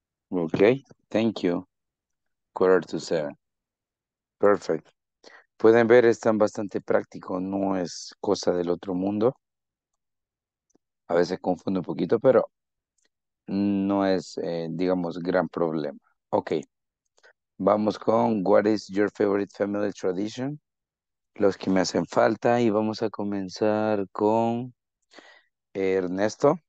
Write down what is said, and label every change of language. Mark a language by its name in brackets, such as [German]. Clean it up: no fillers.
[English] Okay, thank you. Quarter to seven. Perfect. [Spanish] Pueden ver, están bastante prácticos, no es cosa del otro mundo. A veces confundo un poquito, pero no es, digamos, gran problema. Ok. Vamos con, [English] what is your favorite family tradition? [Spanish] Los que me hacen falta, y vamos a comenzar con Ernesto.